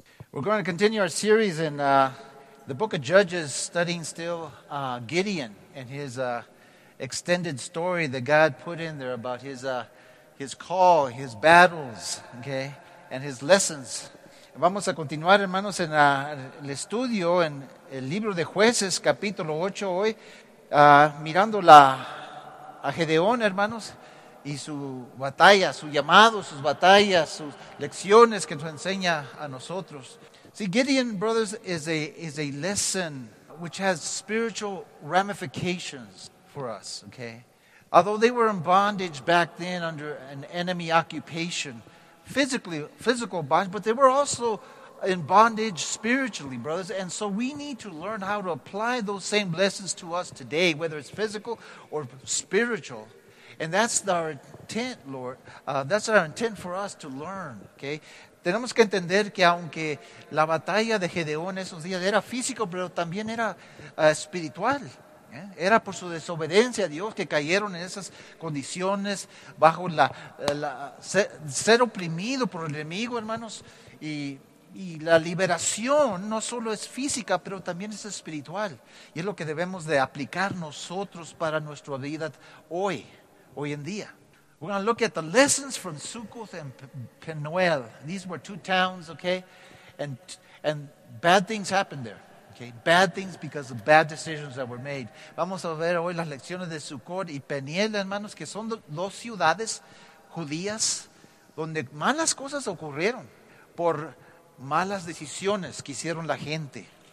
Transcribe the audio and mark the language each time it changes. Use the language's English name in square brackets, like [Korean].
[English] We're going to continue our series in the book of Judges, studying still Gideon and his extended story that God put in there about his call, his battles, okay, and his lessons. [Spanish] Vamos a continuar, hermanos, en el estudio en el libro de Jueces, capítulo 8 hoy, mirando a Gedeón, hermanos, y su batalla, su llamado, sus batallas, sus lecciones que nos enseña a nosotros. [English] See, Gideon, brothers, is a lesson which has spiritual ramifications for us, okay? Although they were in bondage back then under an enemy occupation, physical bondage, but they were also in bondage spiritually, brothers. And so we need to learn how to apply those same lessons to us today, whether it's physical or spiritual. And that's our intent, Lord. That's our intent for us to learn, okay? [Spanish] Tenemos que entender que aunque la batalla de Gedeón esos días era físico, pero también era espiritual. Era por su desobediencia a Dios que cayeron en esas condiciones bajo ser oprimido por el enemigo, hermanos. Y la liberación no solo es física, pero también es espiritual. Y es lo que debemos de aplicar nosotros para nuestra vida hoy en día. [English] We're going to look at the lessons from Succoth and Penuel. These were two towns, okay? And bad things happened there, okay? Bad things because of bad decisions that were made. [Spanish] Vamos a ver hoy las lecciones de Succoth y Penuel, hermanos, que son dos ciudades judías donde malas cosas ocurrieron por malas decisiones que hicieron la gente.